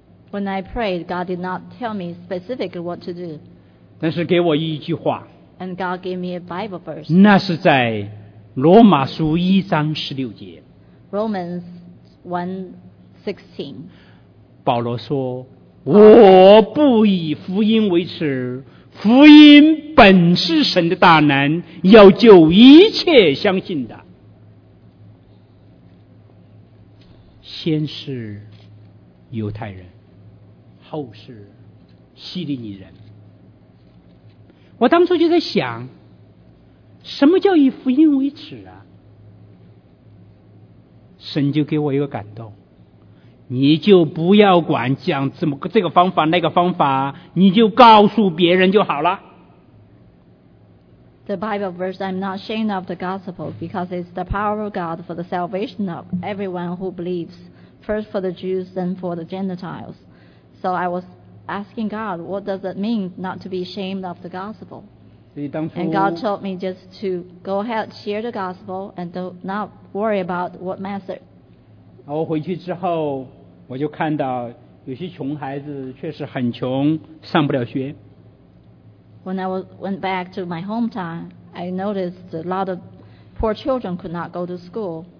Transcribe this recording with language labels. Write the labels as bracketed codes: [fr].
[en] When I prayed, God did not tell me specifically what to do. [zh] 但是给我一句话。 [en] And God gave me a Bible verse. [zh] 那是在罗马书一章十六节。 [en] Romans 1:16。 [zh] 保罗说：“我不以福音为耻，福音本是神的大能，要救一切相信的，先是犹太人，后是希利尼人。” 我当初就在想。什么叫以福音为耻啊？神就给我一个感动，你就不要管讲怎么这个方法那个方法，你就告诉别人就好了。 [en] the Bible verse, I'm not ashamed of the gospel, because it's the power of God for the salvation of everyone who believes, first for the Jews, then for the Gentiles. So I was asking God, what does it mean not to be ashamed of the gospel? And God told me just to go ahead, share the gospel, and do not worry about what method. [zh] 然后回去之后，我就看到。有些穷孩子确实很穷，上不了学。 [en] When I went back to my hometown, I noticed a lot of poor children could not go to school.